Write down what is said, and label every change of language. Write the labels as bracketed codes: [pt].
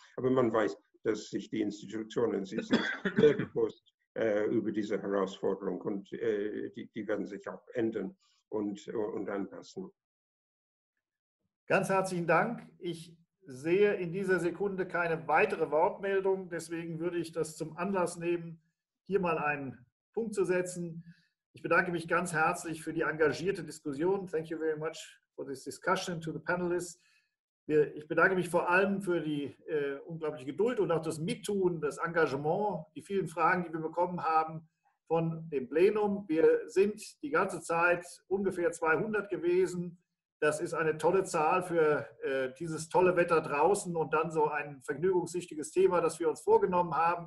[de] Aber man weiß, dass sich die Institutionen sehr bewusst über diese Herausforderung und die werden sich auch ändern und anpassen. Ganz herzlichen Dank. Ich sehe in dieser Sekunde keine weitere Wortmeldung. Deswegen würde ich das zum Anlass nehmen, hier mal einen Punkt zu setzen. Ich bedanke mich ganz herzlich für die engagierte Diskussion. [en] Thank you very much for this discussion to the panelists. [de] Ich bedanke mich vor allem für die unglaubliche Geduld und auch das Mittun, das Engagement, die vielen Fragen, die wir bekommen haben von dem Plenum. Wir sind die ganze Zeit ungefähr 200 gewesen. Das ist eine tolle Zahl für dieses tolle Wetter draußen und dann so ein vergnügungssüchtiges Thema, das wir uns vorgenommen haben.